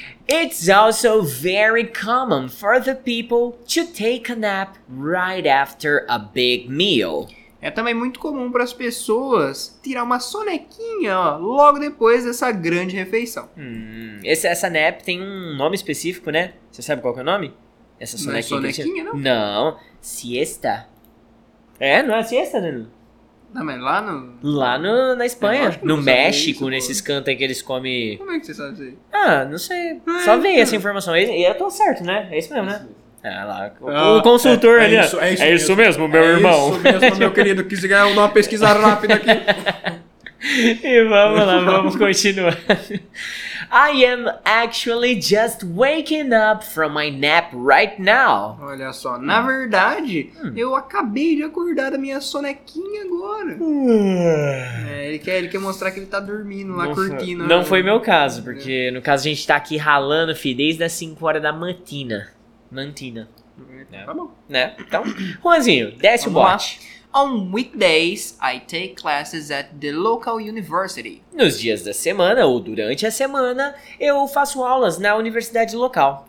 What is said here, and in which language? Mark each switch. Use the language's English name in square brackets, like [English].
[English] It's also very common for the people to take a nap right after a big meal. [Portuguese] É também muito comum para as pessoas tirar uma sonequinha, ó, logo depois dessa grande refeição. Essa nap tem um nome específico, né? Você sabe qual que é o nome? Essa sonequinha. Não é sonequinha, não. Não. Siesta. É? Não é siesta, Danilo? Não, mas lá no... Lá no, na Espanha. No México, isso, nesses cantos aí que eles comem... Como é que você sabe isso aí? Ah, não sei. Mas... Só veio essa informação. E eu tô certo, né? É isso mesmo, né? Ah, lá. O consultor ali. É isso mesmo, meu irmão. É isso mesmo, meu querido. Quis dar uma pesquisa rápida aqui. E vamos lá, vamos continuar. [English] I am actually just waking up from my nap right now. [Portuguese] Olha só, na verdade, eu acabei de acordar da minha sonequinha agora. Ele quer mostrar que ele tá dormindo lá, curtindo. Não foi meu caso, porque no caso a gente tá aqui ralando, filho, desde as 5 horas da matina. Mantina. Tá bom. Né? Então, Juanzinho, desce o bote. [English] On weekdays, I take classes at the local university. [Portuguese] Nos dias da semana, ou durante a semana, eu faço aulas na universidade local.